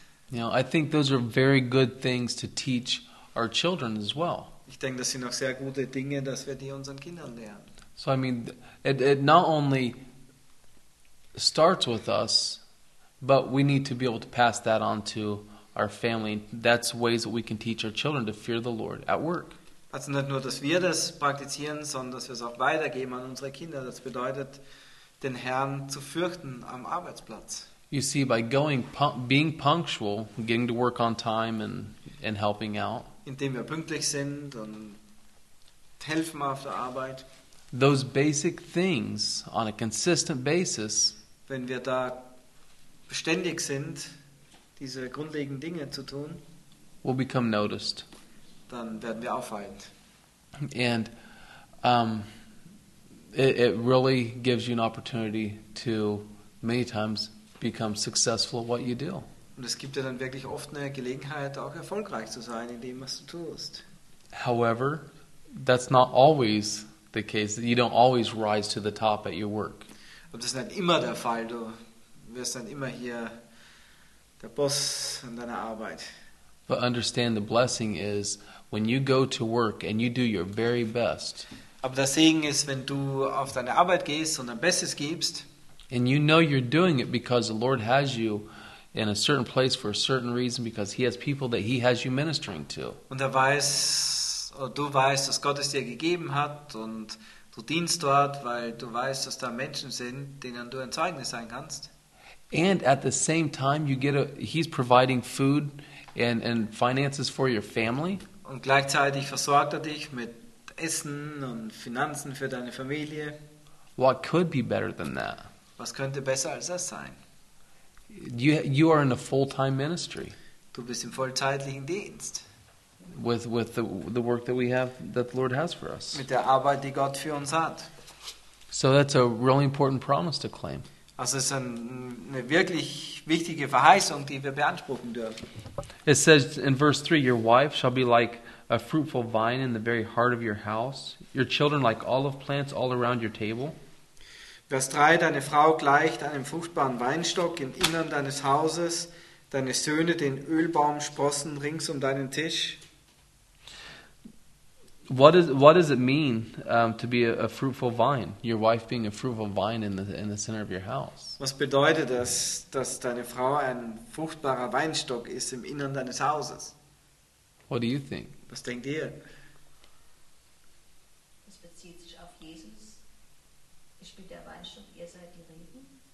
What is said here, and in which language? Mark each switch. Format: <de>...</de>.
<en>You know, I think those are very good things to teach our children as well.</en> <de>Ich denke, das sind auch sehr gute Dinge, dass wir die unseren Kindern lernen.</de> <en>So, I mean, it not only starts with us, but we need to be able to pass that on to our family. That's ways that we can teach our children to fear the Lord at work.</en> <de>Also nicht nur, dass wir das praktizieren, sondern dass wir es auch weitergeben an unsere Kinder. Das bedeutet, den Herrn zu fürchten am Arbeitsplatz.</de> <en>You see, by going, being punctual, getting to work on time and helping out.</en> <de>Indem wir pünktlich sind und helfen auf der Arbeit.</de> <en>Those basic things on a consistent basis.</en> <de>Wenn wir da beständig sind, diese grundlegenden Dinge zu tun,</de> <en>will become noticed.</en> <de>Dann werden wir auffallen.</de> <en>And it really gives you an opportunity to many times become successful at what you do.</en> <de>Und es gibt dir dann wirklich oft eine Gelegenheit, auch erfolgreich zu sein in dem, was du tust.</de> <en>However, that's not always the case. You don't always rise to the top at your work.</en> <de>Aber das ist nicht immer der Fall. Du wirst dann immer hier der Boss in deiner Arbeit.</de> <en>But understand the blessing is when you go to work and you do your very best.</en> <de>Aber der Segen ist, wenn du auf deine Arbeit gehst und dein Bestes gibst.</de> <en>And you know you're doing it because the Lord has you in a certain place for a certain reason, because he has people that he has you ministering to.</en> <de>Und er weiß, oder du weißt, dass Gott es dir gegeben hat und du dienst dort, weil du weißt, dass da Menschen sind, denen du ein Zeugnis sein kannst.</de> <en>And at the same time, you get he's providing food and finances for your family.</en> <de>Und gleichzeitig versorgt dich mit Essen und Finanzen für deine Familie.</de> <en>What could be better than that?</en> <de>Was könnte besser als das sein?</de> <en>You are in a full-time ministry.</en> <de>Du bist im vollzeitlichen Dienst.</de> <en>With the work that we have, that the Lord has for us.</en> <de>Mit der Arbeit, die Gott für uns hat.</de> <en>So that's a really important promise to claim.</en> <de>Also es ist eine wirklich wichtige Verheißung, die wir beanspruchen dürfen.</de> <en>It says in verse 3, your wife shall be like a fruitful vine in the very heart of your house, your children like olive plants all around your table.</en> <de>Vers 3, deine Frau gleicht einem fruchtbaren Weinstock im Innern deines Hauses, deine Söhne den Ölbaumsprossen rings um deinen Tisch.</de> <en>What does it mean to be a fruitful vine? Your wife being a fruitful vine in the center of your house.</en> <de>Was bedeutet das, dass deine Frau ein fruchtbarer Weinstock ist im Innern deines Hauses?</de> <en>What do you think?</en> <de>Was denkt ihr? Es bezieht sich auf Jesus. Ich bin der Weinstock, ihr seid die Reben.</de>